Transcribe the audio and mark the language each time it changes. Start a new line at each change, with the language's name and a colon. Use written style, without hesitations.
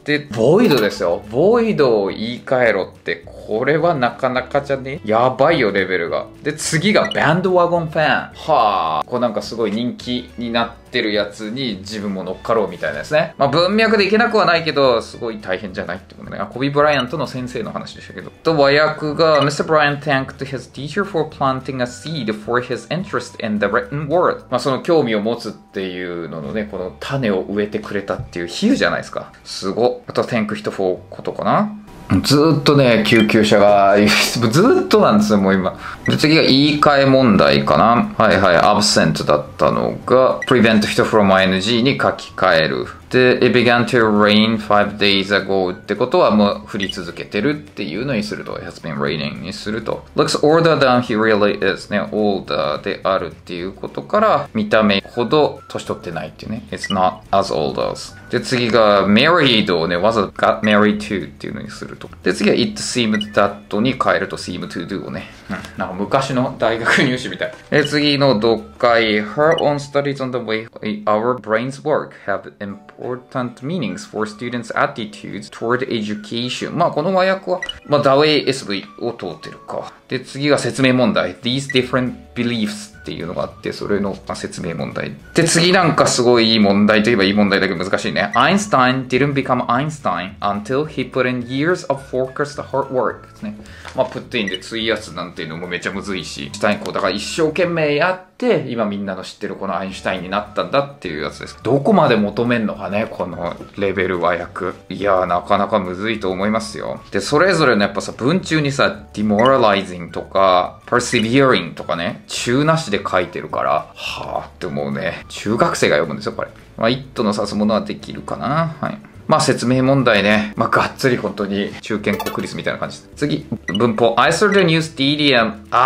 Japanese: で、ボイドですよ。ボイドを言い換えろって、これはなかなかじゃね？やばいよ、レベルが。で、次がバンドワゴンファン。はぁ。こうなんかすごい人気になって。ってるやつに自分も乗っかろうみたいなですね。まあ文脈でいけなくはないけど、すごい大変じゃないってことね。あ、コビ・ブライアントの先生の話でしたけど。と、和訳が、Mr.
English: Bryan thanked his teacher for planting a seed for his interest in the written word。
Japanese: まあその興味を持つっていうののね、この種を植えてくれたっていう比喩じゃないですか。すご。あと、
English: thank him for
Japanese: ことかな。ずーっとね、救急車が、ずーっとなんですよ、もう今。で、次が言い換え問題かな。はいはい、absent だったのが、
English: prevent 人 from ing
Japanese: に書き換える。で、
English: It began to rain 5 days ago
Japanese: ってことはもう降り続けてるっていうのにすると、
English: It has been raining
Japanese: にすると。
English: Looks older than he really is
Japanese: ね、older であるっていうことから、見た目ほど年取ってないっていうね。
English: It's not as old as。
Japanese: で、次が married をね、わざと
English: got married to
Japanese: っていうのにすると。で、次は
English: it seemed that
Japanese: に変えると
English: seem to do
Japanese: をね。なんか昔の大学入試みたい。次の読解。
English: Her own studies on the way our brains work have important meanings for students' attitudes toward education.
Japanese: まあこの和訳は、まあ、
English: the way SV
Japanese: を通ってるか。で、次が説明問題。
English: These different beliefs
Japanese: っていうのがあって、それの、まあ、説明問題。で、次なんかすごいいい問題といえばいい問題だけど難しいね。
English: Einstein didn't become Einstein until he put in years of focused hard work
Japanese: ですね。まあ、
English: put in
Japanese: で費やすなんていうのもめちゃむずいし。スタインこう、だから一生懸命やって、今みんなの知ってるこのアインシュタインになったんだっていうやつです。どこまで求めんのかね、このレベル和訳。いやー、なかなかむずいと思いますよ。で、それぞれのやっぱさ、文中にさ、
English: demoralize
Japanese: とか
English: persevering
Japanese: とかね中なしで書いてるからはぁって思うね中学生が読むんですよこれまあ it の指すものはできるかなはいまあ説明問題ねまあがっつり本当に中堅国立みたいな感じ次文法
English: I saw the new stadium